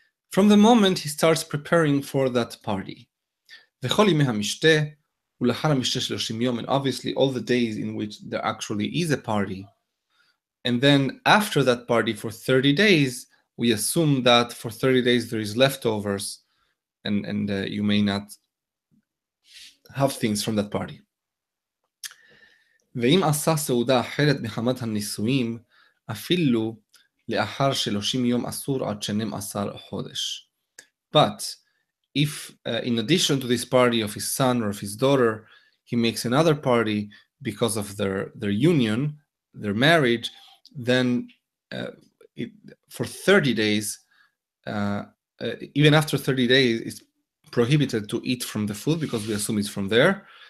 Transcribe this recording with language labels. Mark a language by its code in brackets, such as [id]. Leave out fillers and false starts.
[en] From the moment he starts preparing for that party. [he] וכל ימי המשתה, ולאחר המשתה 30 יום, [en] and obviously all the days in which there actually is a party. And then after that party for 30 days, we assume that for 30 days there is leftovers, and you may not have things from that party. [he] ואם עשה סעודה אחרת מחמת הנישואים, אפילו לאחר 30 יום אסור עד 12 חודש. [en] But if, in addition to this party of his son or of his daughter, he makes another party because of their union, their marriage, then for 30 days, even after 30 days, it's prohibited to eat from the food because we assume it's from there.